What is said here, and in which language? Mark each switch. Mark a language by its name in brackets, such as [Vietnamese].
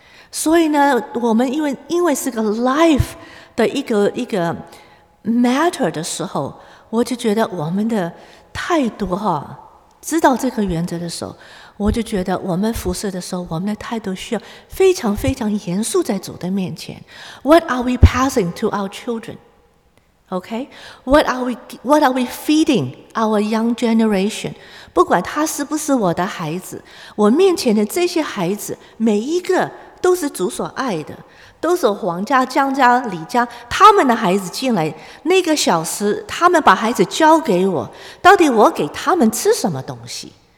[Chinese] 所以呢，我们因为是个 life 的一个 matter 的时候，我就觉得我们的态度知道这个原则的时候，我就觉得我们服侍的时候我们的态度需要非常非常严肃在主的面前。 [English] What are we passing to our children? OK, what are we feeding our young generation? [Chinese] 不管他是不是我的孩子，我面前的这些孩子每一个都是主所爱的，都是皇家江家李家他们的孩子进来，那个小时他们把孩子交给我，到底我给他们吃什么东西？